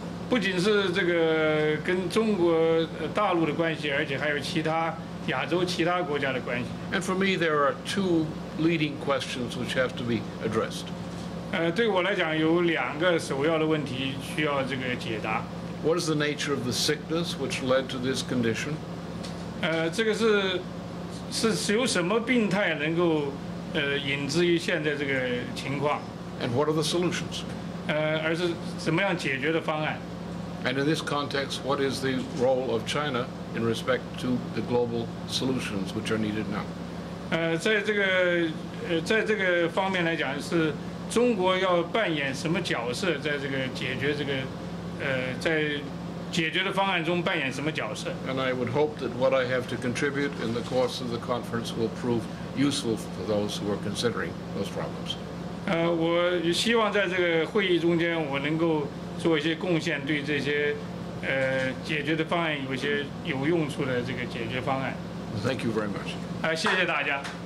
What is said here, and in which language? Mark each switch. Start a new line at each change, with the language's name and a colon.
Chinese: 不仅是这个跟中国大陆的关系，而且还有其他。亚洲其他国家的关系。
English: And for me, there are two leading questions which have to be addressed.
Chinese: 对我来讲，有两个首要的问题需要这个解答。
English: What is the nature of the sickness which led to this condition?
Chinese: 这个是由什么病态能够引致于现在这个情况
English: ？And what are the solutions?
Chinese: 而是怎么样解决的方案
English: ？And in this context, what is the role of China? In respect to the global solutions which are needed now.
Chinese: 在这个方面来讲，是中国要扮演什么角色，在这个解决这个，在解决的方案中扮演什么角色
English: ？And I would hope that what I have to contribute in the course of the conference will prove useful for those who are considering those problems.
Chinese: 我希望在这个会议中间，我能够做一些贡献，对这些。解决的方案有些有用处的这个解决方案。
English: Thank you very much.
Chinese: 谢谢大家。